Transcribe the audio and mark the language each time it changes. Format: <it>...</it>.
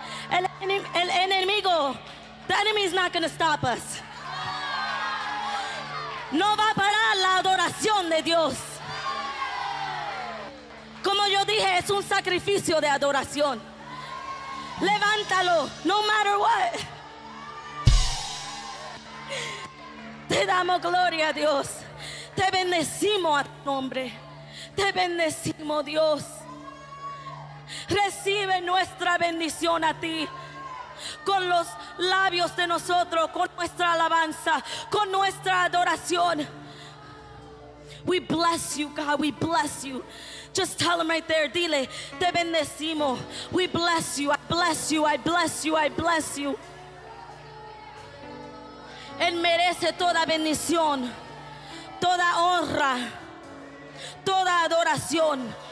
<es>El enemigo,</es> <en>the enemy is not going to stop us.</en> <es>No va a parar la adoración de Dios. Como yo dije, es un sacrificio de adoración. Levántalo,</es> <en>no matter what.</en> <es>Te damos gloria a Dios. Te bendecimos a tu nombre. Te bendecimos, Dios. Recibe nuestra bendición a ti. Con los labios de nosotros, con nuestra alabanza, con nuestra adoración.</es> <en>We bless you, God, we bless you. Just tell him right there,</en> <es>dile, te bendecimos.</es> <en>We bless you, I bless you, I bless you, I bless you.</en> <es>Él merece toda bendición, toda honra, toda adoración.</es>